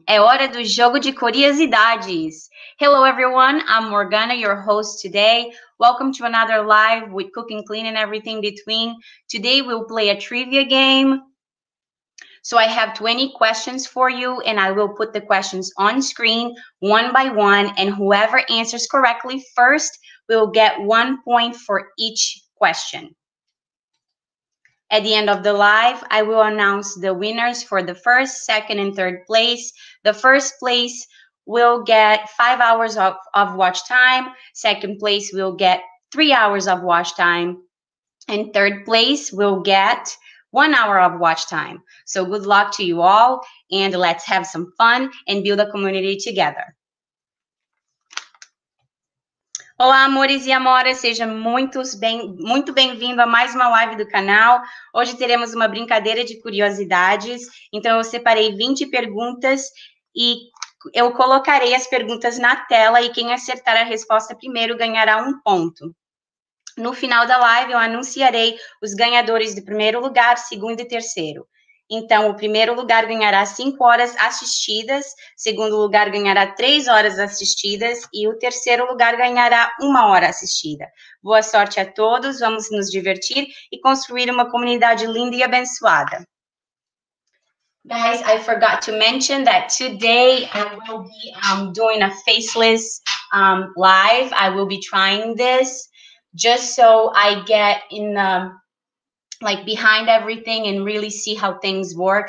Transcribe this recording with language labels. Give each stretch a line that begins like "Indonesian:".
Portuguese: É hora do jogo de curiosidades.
English: Hello, everyone. I'm Morgana, your host today. Welcome to another live with cooking, cleaning, everything between. Today we'll play a trivia game. So I have 20 questions for you, and I will put the questions on screen one by one, and whoever answers correctly first will get 1 point for each question. At the end of the live, I will announce the winners for the first, second, and third place. The first place will get 5 hours of watch time. Second place will get 3 hours of watch time. And third place will get 1 hour of watch time. So good luck to you all, and let's have some fun and build a community together.
Portuguese: Olá, amores e amoras, seja muito bem-vindo a mais uma live do canal. Hoje teremos uma brincadeira de curiosidades. Então, eu separei 20 perguntas e eu colocarei as perguntas na tela e quem acertar a resposta primeiro ganhará 1 ponto. No final da live, eu anunciarei os ganhadores de primeiro lugar, segundo e terceiro. Então, o primeiro lugar ganhará 5 horas assistidas, segundo lugar ganhará 3 horas assistidas e o terceiro lugar ganhará 1 hora assistida. Boa sorte a todos, vamos nos divertir e construir uma comunidade linda e abençoada.
English: Guys, I forgot to mention that today I will be doing a faceless live. I will be trying this just so I get in the behind everything and really see how things work.